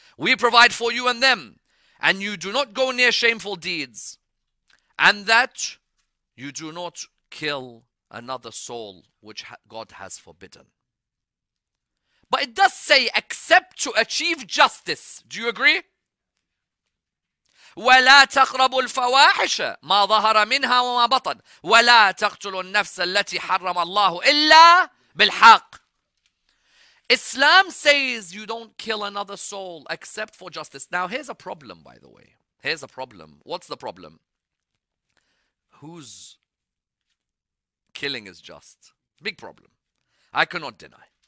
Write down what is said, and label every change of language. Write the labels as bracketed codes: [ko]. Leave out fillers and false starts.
[en] We provide for you and them, and you do not go near shameful deeds, and that you do not kill another soul which God has forbidden. But it does say, except to achieve justice. Do you agree? [ar] ولا تقربوا الفواحش ما ظهر منها وما بطن ولا تقتلوا النفس التي حرم الله إلا بالحق. [en] Islam says you don't kill another soul except for justice. Now here's a problem, by the way. Here's a problem. What's the problem? Whose killing is just? Big problem. I cannot deny.